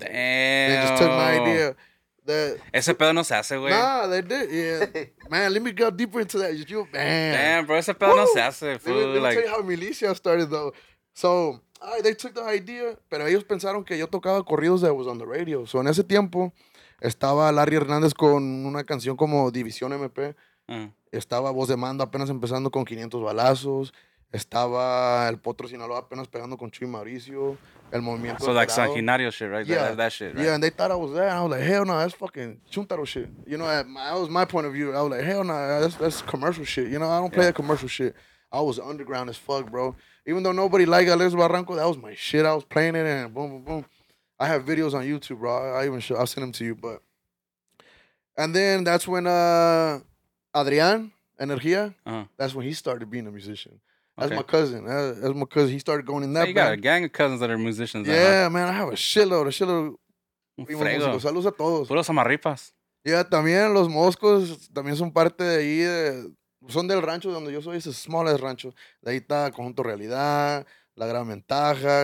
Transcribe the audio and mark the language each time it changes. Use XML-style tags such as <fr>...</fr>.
<en>They just took my idea.</en> <es>Ese pedo no se hace, güey.</es> <en>Nah, they did, yeah. Man, let me go deeper into that. You, man. Damn, bro,</en> <es>ese pedo no se hace,</es> <en>fool. Let me tell you how Milicia started, though. So, All right, they took the idea,</en> <es>pero ellos pensaron que yo tocaba corridos</es> <en>that was on the radio.</en> <es>So en ese tiempo estaba Larry Hernández con una canción como División MP. Estaba Voz de Mando apenas empezando con 500 balazos. Estaba El Potro Sinaloa apenas pegando con Chuy Mauricio. El Movimiento.</es> <en>So like Sanginario shit, right? Yeah. That shit, right? Yeah, and they thought I was there. And I was like, hell no, that's fucking Chuntaro shit. You know, that was my point of view. I was like, hell no, that's commercial shit. You know, I don't play that commercial shit. I was underground as fuck, bro. Even though nobody liked Alex Barranco, that was my shit. I was playing it and boom, boom, boom. I have videos on YouTube, bro. I'll send them to you, but. And then that's when Adrian Energia, that's when he started being a musician. That's my cousin. That's my cousin. He started going in that band. You got a gang of cousins that are musicians. Yeah, then, huh? Man. I have a shitload.</en> <es>Saludos a todos. Puros amarripas. Yeah, también los moscos también son parte de ahí. Son del rancho donde yo soy. Es el smallest rancho. De ahí está Conjunto Realidad, La Gran Ventaja.</es>